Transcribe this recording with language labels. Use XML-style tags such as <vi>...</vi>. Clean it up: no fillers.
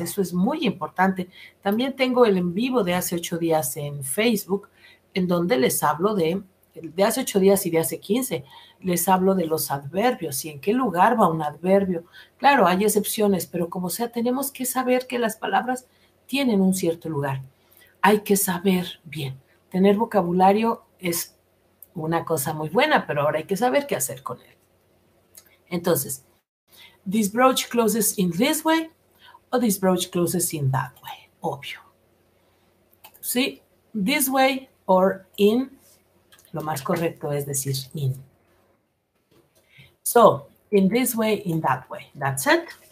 <es>Eso es muy importante. También tengo el en vivo de hace 8 días en Facebook, en donde les hablo de hace 8 días y de hace 15, les hablo de los adverbios y en qué lugar va un adverbio. Claro, hay excepciones, pero como sea, tenemos que saber que las palabras tienen un cierto lugar. hay que saber bien. Tener vocabulario es una cosa muy buena, pero ahora hay que saber qué hacer con él. Entonces,</es> <en>this brooch closes in this way</en> <es>o</es> <en>this brooch closes in that way,</en> <es>obvio. ¿Sí?</es> <en>This way or in,</en> <es>lo más correcto es decir in.</es> <en>So, in this way, in that way, that's it.</en>